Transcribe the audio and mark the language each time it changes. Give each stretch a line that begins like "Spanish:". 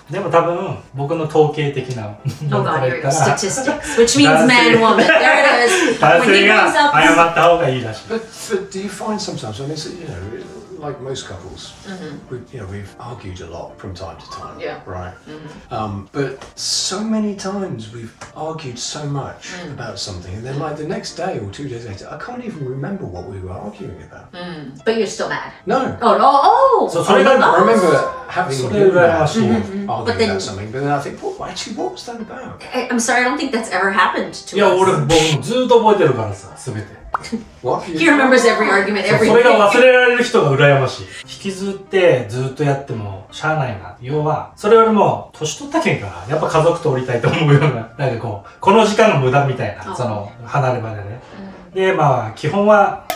Japanese: でも多分、僕の統計的な。
English: Oh god, your statistics. Which means man, woman. There it is.
Japanese: 男性が謝った方がいいらしい。
English: But do you find sometimes, I mean, so, you know, like most couples,、mm-hmm. we've argued a lot from time to time, yeah. right?、Mm-hmm. But so many times we've argued so much、mm-hmm. about something, and then like the next day or 2 days later, I can't even remember what we were arguing about.、 Mm-hmm. But you're still mad? No. Oh! I remember having a good mad argument about something, but then I think, what actually, what was that about? I'm sorry, I don't think that's ever happened to yeah, us.
Japanese: Yeah, 俺もずっと覚えてるからさ、すべて。
English: He remembers every argument, every
Japanese: day. それが忘れられる人が羨ましい。引きずってずっとやってもしゃあないな。要は、それよりも、年取ったけんから、やっぱ家族通りたいと思うような、なんかこう、この時間の無駄みたいな、oh. その、離れ離れね。で、まあ、基本は。